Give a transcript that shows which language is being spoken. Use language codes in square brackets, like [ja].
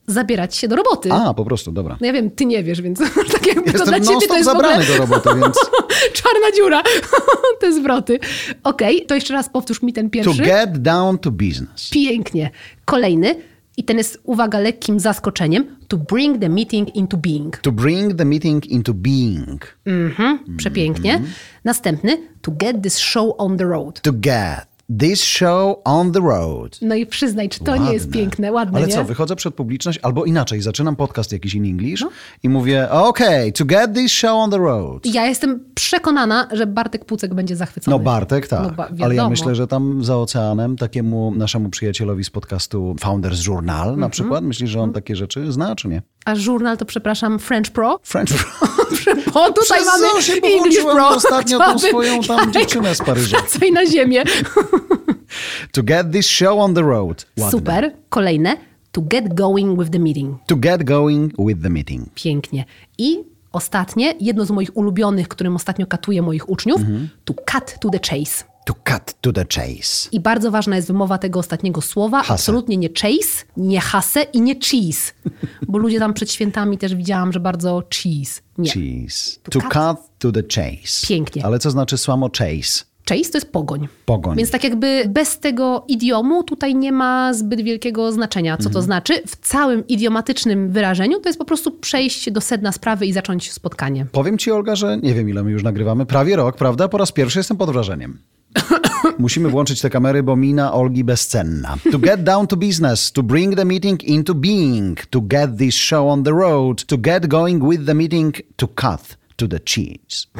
[pl] Zabierać się do roboty. A, po prostu, dobra. No ja wiem, ty nie wiesz, więc tak jakby jestem to dla ciebie to jest w ogóle... zabrany do roboty, więc... Czarna dziura. Te zwroty. Okej, okay, to jeszcze raz powtórz mi ten pierwszy. [en] To get down to business. [pl] Pięknie. Kolejny. I ten jest, uwaga, lekkim zaskoczeniem. [en] To bring the meeting into being. To bring the meeting into being. [pl] Mhm, przepięknie. Mm-hmm. Następny. [en] To get this show on the road. To get this show on the road. [pl] No i przyznaj, czy to ładne. Nie jest piękne, ładne, ale nie? Co, wychodzę przed publiczność, albo inaczej, zaczynam podcast jakiś [en] in English [pl] i mówię, okej, okay, [en] to get this show on the road. [pl] Ja jestem przekonana, że Bartek Pucek będzie zachwycony. No Bartek, tak. No, ale ja myślę, że tam za oceanem takiemu naszemu przyjacielowi z podcastu Founders Journal na przykład, myślisz, że on takie rzeczy zna, czy nie? A Journal to, przepraszam, French Pro? French Pro. Bo tutaj przez mamy English Pro. Ostatnio tą swoją tam dziewczynę z Paryża. Wracaj na ziemię. [en] To get this show on the road. [pl] Ładne. Super. Kolejne. [en] To get going with the meeting. To get going with the meeting. [pl] Pięknie. I ostatnie, jedno z moich ulubionych, którym ostatnio katuję moich uczniów. [en] Mm-hmm. To cut to the chase. To cut to the chase. [pl] I bardzo ważna jest wymowa tego ostatniego słowa. Hase. Absolutnie nie chase, nie hase i nie cheese. Bo ludzie tam przed świętami też widziałam, że bardzo cheese. Nie. [en] Cheese. To cut to the chase. [pl] Pięknie. Ale co znaczy słowo chase? Chase to jest pogoń. Pogoń. Więc tak jakby bez tego idiomu tutaj nie ma zbyt wielkiego znaczenia, co to znaczy. W całym idiomatycznym wyrażeniu to jest po prostu przejść do sedna sprawy i zacząć spotkanie. Powiem ci, Olga, że nie wiem, ile my już nagrywamy. Prawie rok, prawda? Po raz pierwszy jestem pod wrażeniem. Musimy włączyć te kamery, bo mina Olgi bezcenna. [en] To get down to business, to bring the meeting into being, to get this show on the road, to get going with the meeting, to cut to the chase.